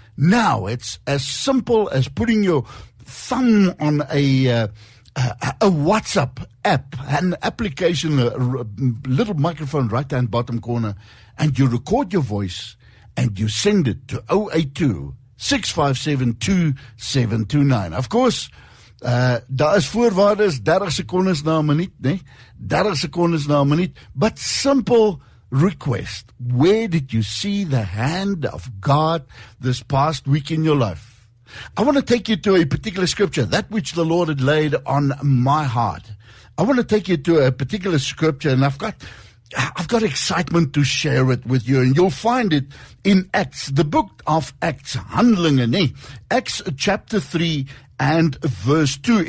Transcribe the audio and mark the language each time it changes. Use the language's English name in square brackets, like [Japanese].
[English] Now, it's as simple as putting your thumb on a WhatsApp app, an application, a little microphone right-hand bottom corner, and you record your voice, and you send it to 082-657-2729. [Afrikaans] Of course, daar is voorwaardes, 30 sekondes na 'n minuut, né? 30 sekondes na 'n minuut, [English] but simple request. Where did you see the hand of God this past week in your life? I want to take you to a particular scripture, that which the Lord had laid on my heart. I want to take you to a particular scripture, and I've got excitement to share it with you, and you'll find it in Acts, the book of Acts, [Afrikaans] Handelingen, nee, [English] Acts chapter 3 and verse 2.